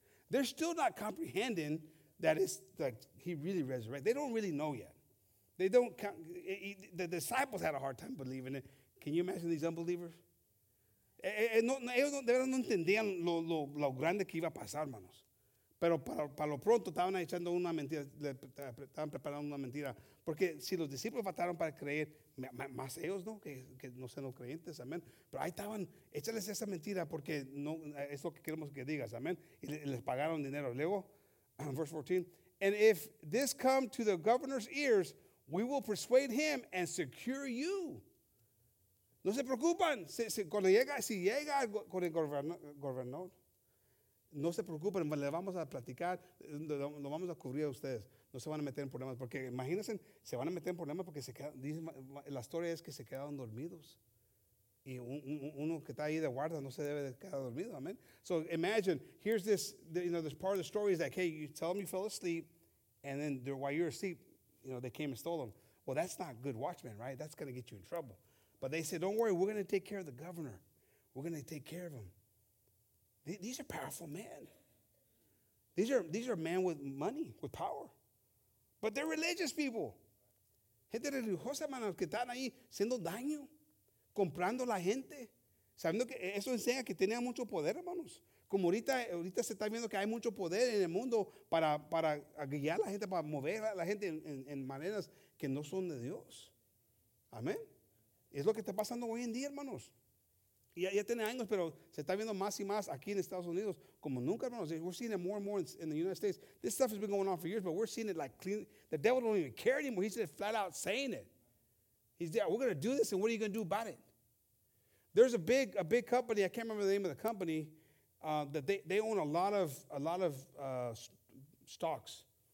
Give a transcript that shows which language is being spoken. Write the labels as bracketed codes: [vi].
[en] They're still not comprehending that it's like he really resurrected. They don't really know yet. They don't. The disciples had a hard time believing it. Can you imagine these unbelievers? [es] No entendían lo grande que iba a pasar, hermanos. Pero para lo pronto estaban echando una mentira, estaban preparando una mentira. Porque si los discípulos faltaron para creer, más ellos, ¿no? Que no sean los creyentes, amén. Pero ahí estaban, échales esa mentira porque no, es lo que queremos que digas, amén. Y les pagaron dinero. [en] Luego, verse 14, and if this come to the governor's ears, we will persuade him and secure you. [es] No se preocupan. Si llega con el gobernador, no se preocupen, le vamos a platicar, lo vamos a cubrir a ustedes. No se van a meter en problemas, porque imagínense, se van a meter en problemas porque se quedan, dicen, la historia es que se quedaron dormidos. Y uno que está ahí de guarda no se debe de quedar dormido, amen. [en] So imagine, here's this, you know, this part of the story is like, hey, you tell them you fell asleep, and then while you're asleep, you know, they came and stole them. Well, that's not good watchmen, right? That's going to get you in trouble. But they said, don't worry, we're going to take care of the governor. We're going to take care of him. These are powerful men. These are men with money, with power. But they're religious people. [es] Gente religiosa, manos, que están ahí haciendo daño, comprando la gente. Sabiendo que eso enseña que tenían mucho poder, hermanos. Como ahorita se está viendo que hay mucho poder en el mundo para guiar a la gente, para mover a la gente en maneras que no son de Dios. Amén. Es lo que está pasando hoy en día, hermanos. Ya tiene años, pero se está viendo más y más aquí en Estados Unidos como nunca, hermanos. [en] We're seeing it more and more in the United States. This stuff has been going on for years, but we're seeing it like clean. The devil don't even care anymore. He's just flat out saying it. He's there. We're going to do this, and what are you going to do about it? There's a big company. I can't remember the name of the company. That they own a lot of stocks.